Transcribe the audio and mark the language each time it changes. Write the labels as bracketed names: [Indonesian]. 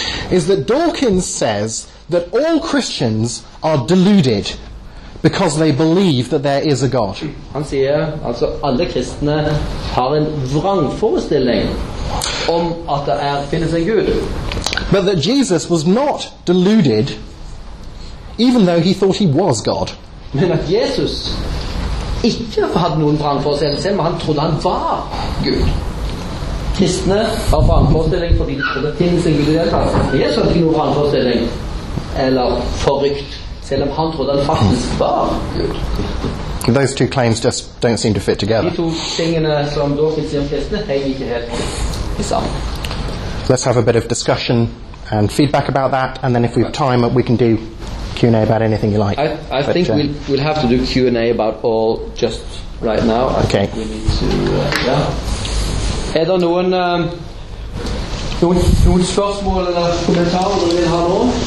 [English] is that Dawkins says that all Christians are deluded because they believe that there is a God. [Norwegian] Han sier altså alle kristne har en vrangforestilling om at det finnes en Gud. [English] But that Jesus was not deluded, even though he thought he was God. [Norwegian] Men at Jesus ikke hadde noen vrangforestilling, selv om han trodde han var Gud. Kristne har vrangforestilling fordi de trodde det finnes en Gud i det hele tatt. Jesus hadde ikke noen vrangforestilling eller forrykt, selv om han trodde han faktisk var Gud. [English] Those two claims just don't seem to fit together. [Norwegian] De to tingene som Dawkins sier om kristne henger ikke helt. [English] Let's have a bit of discussion and feedback about that, and then if we have time, we can do Q&A about anything you like. I think we'll have to do Q&A about all just right now. Okay. We need to. Yeah. [Norwegian] Er det noen noen spørsmål eller kommentarer du vil ha nå?